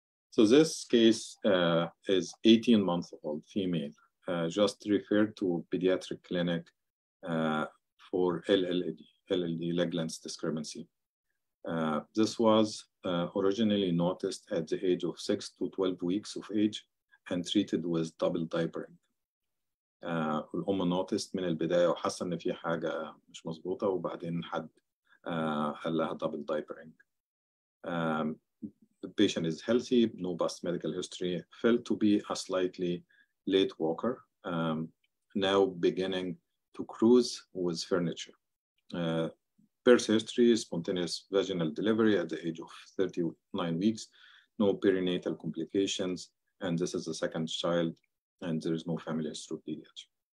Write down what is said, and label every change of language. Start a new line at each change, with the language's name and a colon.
English: So this case is 18-month-old female, just referred to pediatric clinic for LLD, leg length discrepancy. This was originally noticed at the age of 6 to 12 weeks of age and treated with double diapering.
Arabic: الأم
English: noticed
Arabic: من البداية وحس إن في حاجة مش مظبوطة، وبعدين حد قال لها double diapering.
English: The patient is healthy, no past medical history, felt to be a slightly late walker, now beginning to cruise with furniture. Birth history, spontaneous vaginal delivery at the age of 39 weeks, no perinatal complications, and this is the second child, and there is no family history of DDH.